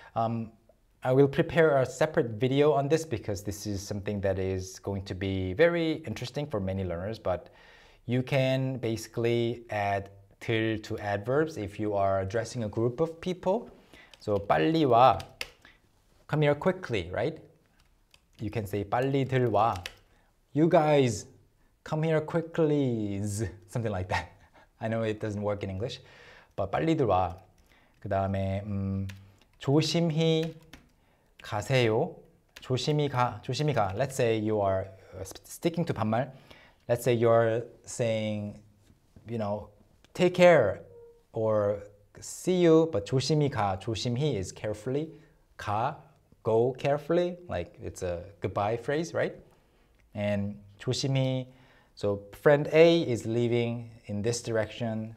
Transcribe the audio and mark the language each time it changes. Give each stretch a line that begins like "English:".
English: I will prepare a separate video on this because this is something that is going to be very interesting for many learners, but you can basically add till to adverbs if you are addressing a group of people. So
Korean: 빨리 와,
English: come here quickly, right? You can say
Korean: 빨리 들 와,
English: you guys come here quickly, something like that. I know it doesn't work in English, but
Korean: 빨리 들 와. 그 다음에 조심히 가세요. 조심히 가, 조심히 가.
English: Let's say you are sticking to 반말. Let's say you're saying, you know, take care or see you, but
Korean: 조심히 가.
English: 조심히 is carefully. 가, go carefully. Like it's a goodbye phrase, right? And 조심히, so friend A is leaving in this direction.